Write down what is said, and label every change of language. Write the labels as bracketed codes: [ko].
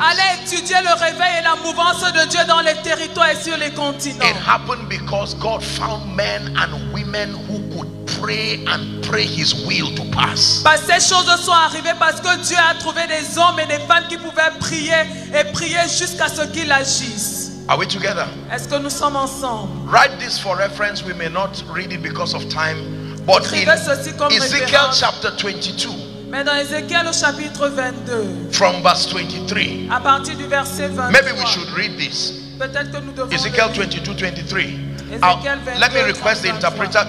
[fr] Allez étudier le réveil et la mouvance de Dieu dans les territoires et sur les continents. [en] It happened because God found men and women who could pray and pray his will to pass. [fr] Parce que ces choses sont arrivées parce que Dieu a trouvé des hommes et des femmes qui pouvaient prier et prier jusqu'à ce qu'il agisse. [en] Are we together? [fr] Est-ce que nous sommes ensemble? [en] Write this for reference. We may not read it because of time. But [fr] écrivez ceci comme référence. [en] Ezekiel chapter 22. [fr] Mais dans Ézéchiel au chapitre 22. [en] From verse 23. [fr] À partir du verset 23. [en] Maybe we should read this. [fr] Peut-être que nous devons. [en] Ezekiel 22, 23. Let me request the interpreter.